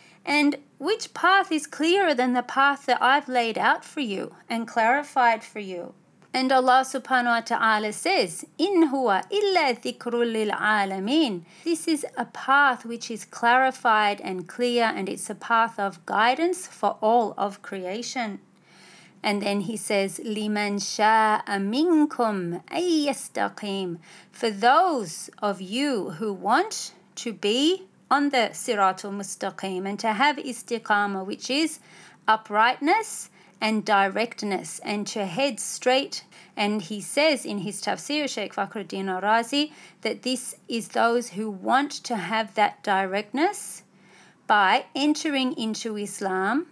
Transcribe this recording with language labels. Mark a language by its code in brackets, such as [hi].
[en] And which path is clearer than the path that I've laid out for you and clarified for you? And Allah subhanahu wa ta'ala says, [ar] إِنْ هُوَ إِلَّا ذِكْرٌ لِلْعَالَمِينَ. [en] This is a path which is clarified and clear, and it's a path of guidance for all of creation. And then he says, [ar] لِمَنْ شَاءَ مِنْكُمْ أَنْ يَسْتَقِيمَ. [en] For those of you who want to be on the Sirat al-Mustaqim and to have istiqama, which is uprightness and directness, and to head straight. And he says in his tafsir, Sheikh Fakhruddin al-Razi, that this is those who want to have that directness by entering into Islam.